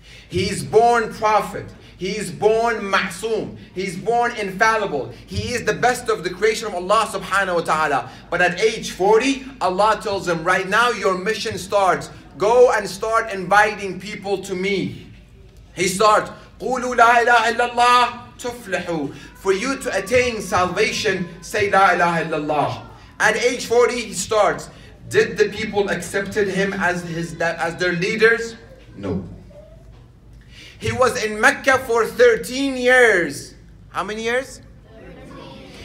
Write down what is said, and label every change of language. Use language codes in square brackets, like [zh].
[en] He is born prophet. He is born ma'soom. He is born infallible. He is the best of the creation of Allah subhanahu wa ta'ala. But at age 40, Allah tells him, right now your mission starts. Go and start inviting people to me. He starts, [ar] قُولُوا لَا إِلَهَ إِلَّا اللَّهِ تُفْلِحُوا. [en] For you to attain salvation, say La ilaha illallah. At age 40, he starts. Did the people accepted him as their leaders? No. He was in Mecca for 13 years. How many years? 13.